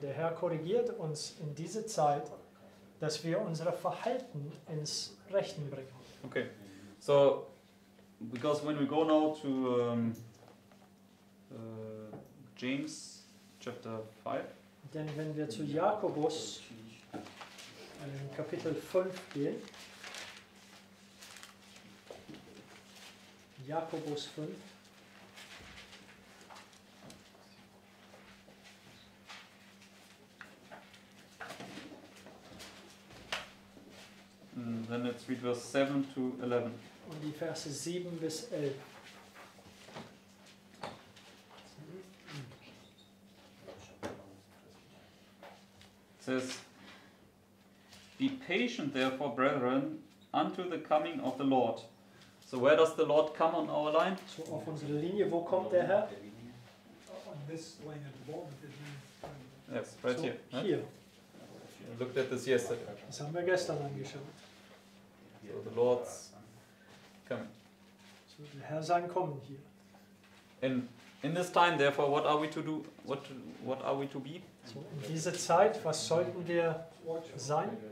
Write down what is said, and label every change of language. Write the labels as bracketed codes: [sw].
[de] Der Herr korrigiert uns in dieser Zeit, dass wir unser Verhalten ins Rechnen bringen. [en] Okay. So, because when we go now to James chapter 5. [de] Denn wenn wir zu Jakobus Kapitel 5 gehen. Jakobus 5. [en] And then let's read verse 7 to 11. [de] Und die Verse 7 bis 11. [en] It says, be patient therefore, brethren, unto the coming of the Lord. So where does the Lord come on our line? [de] So auf unsere Linie, wo kommt der Herr? [en] On this line at the moment. Yes, right so here. So right? Here. We looked at this yesterday. [de] Das haben wir gestern angeschaut. [en] So the Lord's coming. [de] So der Herr sein Kommen hier. [en] In this time, therefore, what are we to do? What are we to be? [de] So in dieser Zeit, was sollten wir sein?